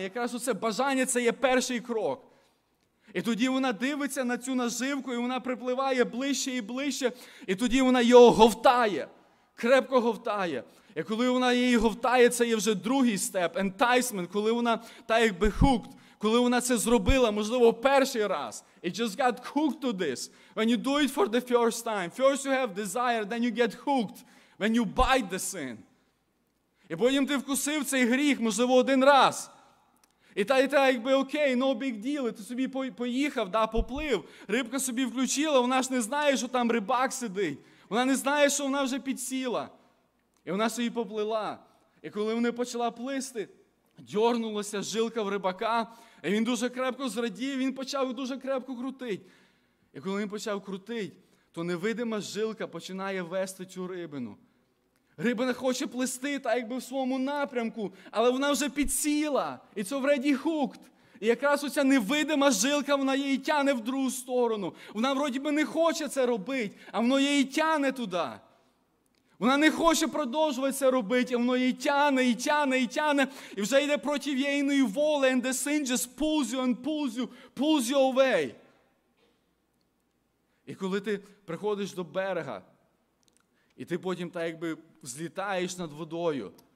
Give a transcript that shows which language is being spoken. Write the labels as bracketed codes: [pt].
[uk] Якраз оце бажання – це є перший крок. І тоді вона дивиться на цю наживку, і вона припливає ближче і ближче, і тоді вона його говтає, крепко говтає. І коли вона її говтає, це є вже другий степ, enticement, коли вона так якби hooked, коли вона це зробила, можливо, перший раз. [en] It just got hooked to this. When you do it for the first time, first you have desire, then you get hooked. When you bite the sin. [uk] І потім ти вкусив цей гріх, можливо, один раз. І та якби окей, [en] no big deal, [uk] і ти собі поїхав, да, поплив. Рибка собі включила, вона ж не знає, що там рибак сидить. Вона не знає, що вона вже підсіла. І вона собі поплила. І коли вона почала плисти, дьорнулася жилка в рибака, і він дуже крепко зрадів, він почав дуже крепко крутити. І коли він почав крутити, то невидима жилка починає вести цю рибину. Рибина хоче плисти, так якби в своєму напрямку, але вона вже підсіла. І це вреді хукт. І якраз оця невидима жилка, вона її тяне в другу сторону. Вона, вроді би, не хоче це робити, а воно її тяне туди. Вона не хоче продовжувати це робити, а воно її тяне, і тяне, і тяне. І вже йде проти її волі, [en] and the sin just pulls you, and pulls you away. [uk] І коли ти приходиш до берега, і ти потім так якби злітаєш над водою.